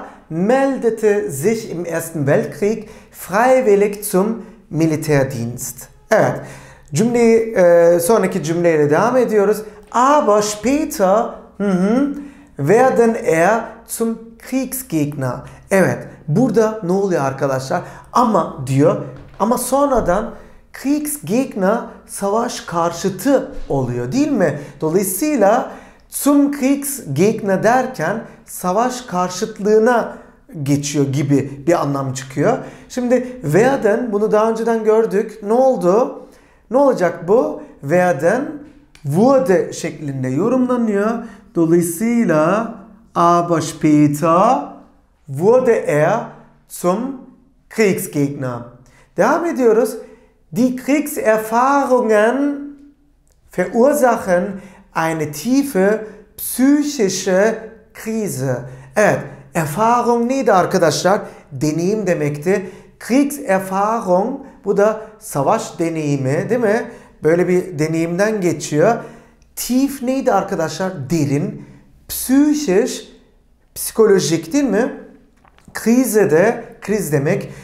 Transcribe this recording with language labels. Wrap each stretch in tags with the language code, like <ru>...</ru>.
<de>Meldete sich im Ersten Weltkrieg freiwillig zum Militärdienst.</de> <tr>Evet. Cümleyi, sonraki cümleyle devam ediyoruz.</tr> <de>Aber später werden zum Kriegsgegner.</de> <tr>Evet. Burada ne oluyor arkadaşlar? Ama diyor. Ama sonradan Kriegsgegner savaş karşıtı oluyor, değil mi? Dolayısıyla</tr> <de>zum Kriegsgegner</de> <tr>derken savaş karşıtlığına geçiyor gibi bir anlam çıkıyor. Şimdi werden, bunu daha önceden gördük. Ne oldu? Ne olacak bu? Werden wurde şeklinde yorumlanıyor.</tr> <de>Dolayısıyla aber später wurde zum Kriegsgegner.</de> <tr>Devam ediyoruz.</tr> <de>Die Kriegserfahrungen verursachen eine tiefe psychische Krise.</de> <tr>Evet. Erfahrung neydi arkadaşlar? Deneyim demekti. Kriegserfahrung, bu da savaş deneyimi, değil mi? Böyle bir deneyimden geçiyor. Tief neydi arkadaşlar? Derin. Psychisch, psikolojik, değil mi? Krise de kriz demek.</tr>